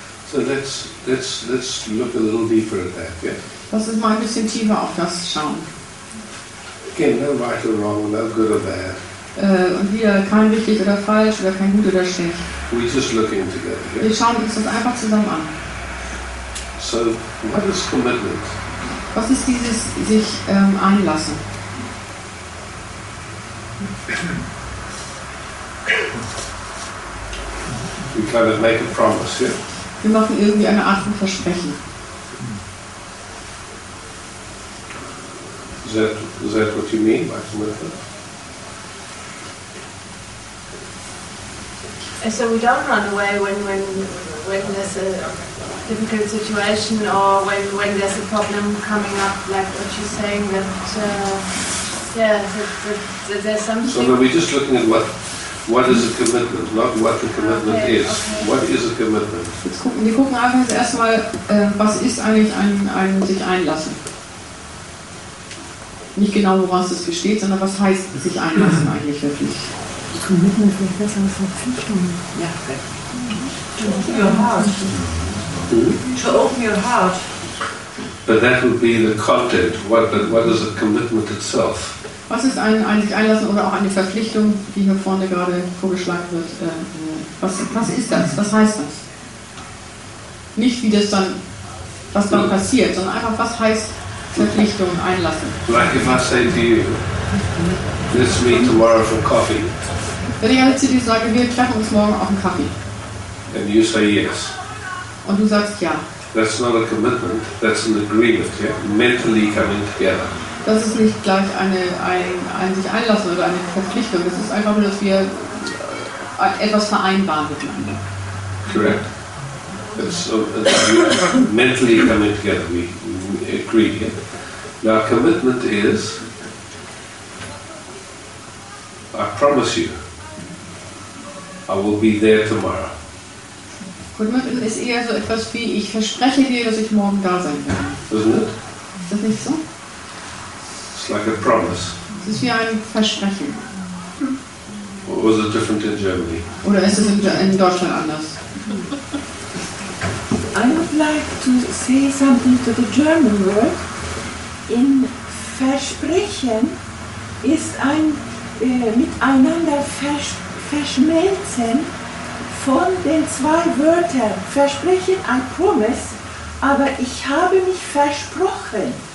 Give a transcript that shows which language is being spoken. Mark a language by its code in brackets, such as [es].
[en] So let's look a little deeper at that, yeah? [de] Lass uns mal ein bisschen tiefer auf das schauen. [en] Again, no right or wrong, no good or bad. [de] Und wieder kein richtig oder falsch oder kein gut oder schlecht. [en] We're just looking together, yeah? [de] Wir schauen uns das einfach zusammen an. [en] So, what is commitment? [de] Was ist dieses sich einlassen? [en] We kind of make a promise, yeah? [de] Wir machen irgendwie eine Art von Versprechen. [en] Is that what you mean by commitment? So we don't run away when there's a difficult situation or when there's a problem coming up, like what you're saying, that there's something. So we're just looking at what is a commitment, not what the commitment is. Okay. What is a commitment? [de] Wir gucken einfach jetzt erstmal, was ist eigentlich ein sich einlassen? Nicht genau, woraus es besteht, sondern was heißt sich einlassen eigentlich wirklich? Commitment ist vielleicht besser als Verpflichtung. [en] Ja. To open your heart. But that would be the content. What is a commitment itself? [de] Was ist ein sich einlassen oder auch eine Verpflichtung, die hier vorne gerade vorgeschlagen wird? Was ist das? Was heißt das? Nicht wie das dann, was dann passiert, sondern einfach, was heißt Verpflichtung, einlassen? [en] Like if I say to you, let's meet tomorrow for coffee. [de] Wenn ich jetzt zu dir sage, wir treffen uns morgen auf einen Kaffee. [en] And you say yes. [de] Und du sagst ja. [en] That's not a commitment, that's an agreement, yeah? Mentally coming together. [de] Das ist nicht gleich ein sich einlassen oder eine Verpflichtung. Das ist einfach nur, dass wir etwas vereinbaren miteinander. [en] Correct. It's mentally coming together, we agree, yeah? Now, commitment is, I promise you, I will be there tomorrow. [de] Commitment ist eher so etwas wie, ich verspreche dir, dass ich morgen da sein werde. [en] Isn't it? [de] Ist das nicht so? [en] It's like a promise. [de] Es ist wie ein Versprechen. [en] Or was it different in Germany? [de] Oder ist es in Deutschland anders? [en] I would like to say something to the German word. [de] In Versprechen ist ein miteinander verschmelzen von den zwei Wörtern. Versprechen, ein Promise, aber ich habe mich versprochen.